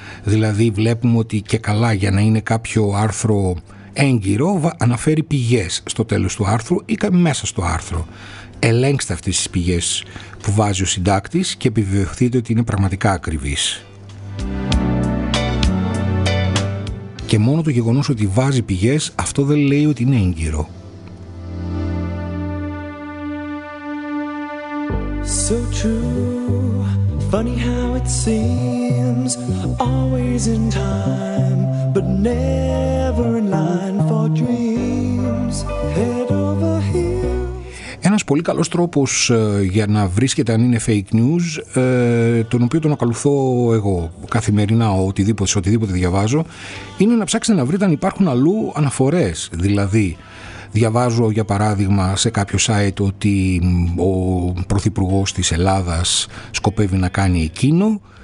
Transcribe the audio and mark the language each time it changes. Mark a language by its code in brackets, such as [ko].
[el] Δηλαδή βλέπουμε ότι και καλά, για να είναι κάποιο άρθρο έγκυρο, αναφέρει πηγές στο τέλος του άρθρου ή μέσα στο άρθρο. Ελέγξτε αυτές τις πηγές που βάζει ο συντάκτης και επιβεβαιωθείτε ότι είναι πραγματικά ακριβής. Και μόνο το γεγονός ότι βάζει πηγές, αυτό δεν λέει ότι είναι έγκυρο. [en] So true, funny how it seems, always in time, but never in line for dreams. Head over heels. [el] Ένας πολύ καλός τρόπος για να βρίσκεται αν είναι fake news, τον οποίο τον ακολουθώ εγώ καθημερινά οτιδήποτε, σε οτιδήποτε διαβάζω, είναι να ψάξετε να βρείτε αν υπάρχουν αλλού αναφορές. Δηλαδή, διαβάζω για παράδειγμα σε κάποιο site ότι ο πρωθυπουργός της Ελλάδας σκοπεύει να κάνει εκείνο.